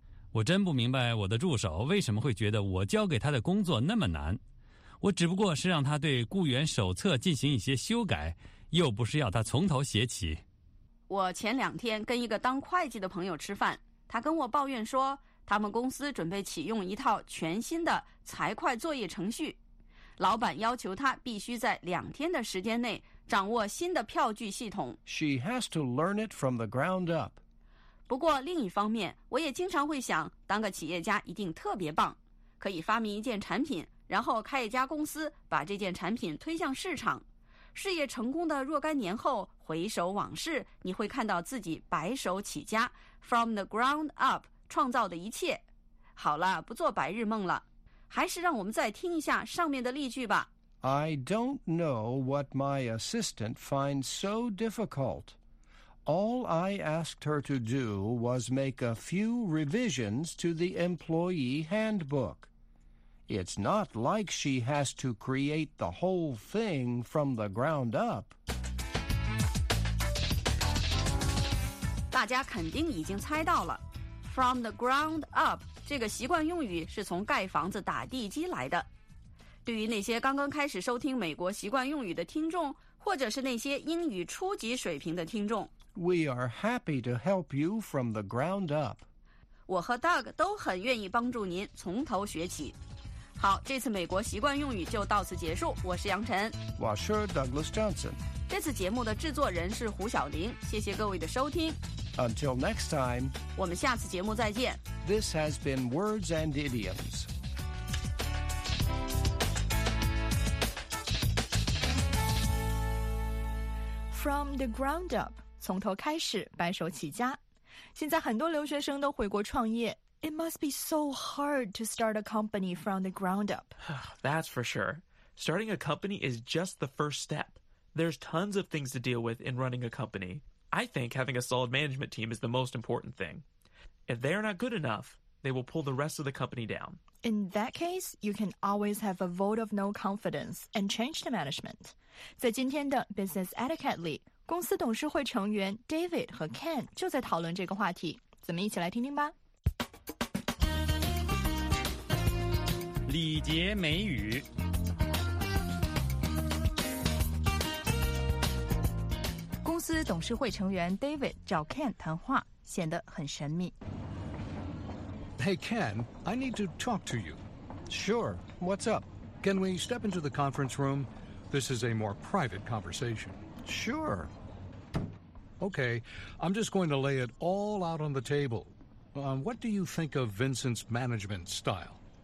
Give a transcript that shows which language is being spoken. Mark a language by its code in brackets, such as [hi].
[zh] 我真不明白我的助手为什么会觉得我交给他的工作那么难。我只不过是让他对雇员手册进行一些修改，又不是要他从头写起。我前两天跟一个当会计的朋友吃饭，他跟我抱怨说，他们公司准备启用一套全新的财会作业程序，老板要求他必须在两天的时间内掌握新的票据系统。 [en] She has to learn it from the ground up. [zh] 不过另一方面，我也经常会想，当个企业家一定特别棒，可以发明一件产品，然后开一家公司，把这件产品推向市场。事业成功的若干年后，回首往事，你会看到自己白手起家 ， [en] from the ground up [zh] 创造的一切。好了，不做白日梦了，还是让我们再听一下上面的例句吧。 [en] I don't know what my assistant finds so difficult. All I asked her to do was make a few revisions to the employee handbook. It's not like she has to create the whole thing from the ground up. [zh] 大家肯定已经猜到了 , [en] from the ground up [zh] 这个习惯用语是从盖房子打地基来的。对于那些刚刚开始收听美国习惯用语的听众，或者是那些英语初级水平的听众 [en] ,We are happy to help you from the ground up. [zh] 我和 Doug 都很愿意帮助您从头学起。好，这次美国习惯用语就到此结束。我是杨晨。我是 Douglas Johnson。这次节目的制作人是胡晓玲。谢谢各位的收听。 [en] Until next time. [zh] 我们下次节目再见。 [en] This has been Words and Idioms. From the ground up, [zh] 从头开始，白手起家。现在很多留学生都回国创业。 [en] It must be so hard to start a company from the ground up. That's for sure. Starting a company is just the first step. There's tons of things to deal with in running a company. I think having a solid management team is the most important thing. If they are not good enough, they will pull the rest of the company down. In that case, you can always have a vote of no confidence and change the management. [zh] 在今天的 Business Etiquette 里，公司董事会成员 David 和 Ken 就在讨论这个话题。咱们一起来听听吧。礼节美语。公司董事会成员 David 找 Ken 谈话，显得很神秘。 [en] Hey, Ken, I need to talk to you. Sure, what's up? Can we step into the conference room? This is a more private conversation. Sure. Okay, I'm just going to lay it all out on the table. What do you think of Vincent's management style?